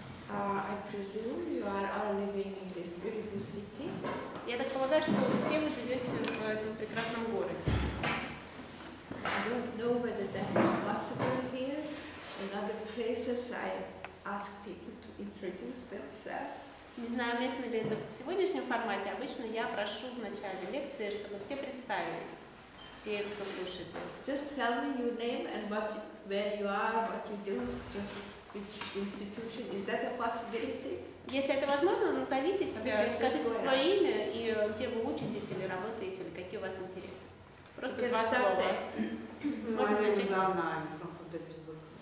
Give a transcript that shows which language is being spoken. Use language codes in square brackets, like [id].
[en] I presume you are all living in this beautiful city. [ru] Я так полагаю, что все мы живете в этом прекрасном городе. [en] I don't know whether that is possible here. In other places, I ask people to introduce themselves. [ru] Не знаю, уместно ли это в сегодняшнем формате. Обычно я прошу в начале лекции, чтобы все представились, все, кто слушает. [en] Just tell me your name and what, where you are, what you do, just which institution. Is that a possibility? [ru] Если это возможно, назовите себя, скажите свое имя и где вы учитесь или работаете, или какие у вас интересы. Просто два слова. [en] My name is Anna, I'm from Saint-Petersburg.